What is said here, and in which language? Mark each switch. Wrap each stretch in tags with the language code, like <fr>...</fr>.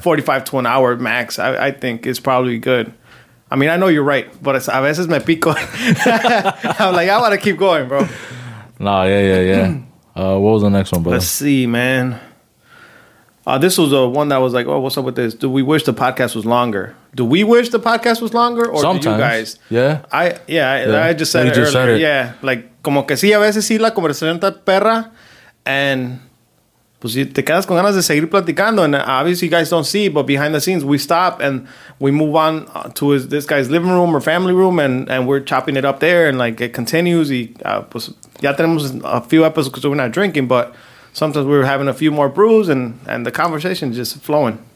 <en>45 to an hour max, I think is probably good. I mean, I know you're right, but</en> <es>a veces me pico.</es> <en>I'm like, I want to keep going, bro. Yeah. What was the next one, brother? Let's see, man. This was the one that was like, oh, what's up with this? Do we wish the podcast was longer? Do we wish the podcast was longer? Or sometimes. Do you guys? I just said it earlier. Yeah, like,</en> <es>como que sí, a veces sí, la conversación está perra.</es> <en>And</en> <es>pues te quedas con ganas de seguir platicando.</es> <en>And obviously, you guys don't see, but behind the scenes, we stop and we move on to this guy's living room or family room, and we're chopping it up there, and like it continues.</en> <es>Pues ya tenemos</es> <en>a few episodes because we're not drinking, but sometimes we're having a few more brews, and the conversation is just flowing.</en>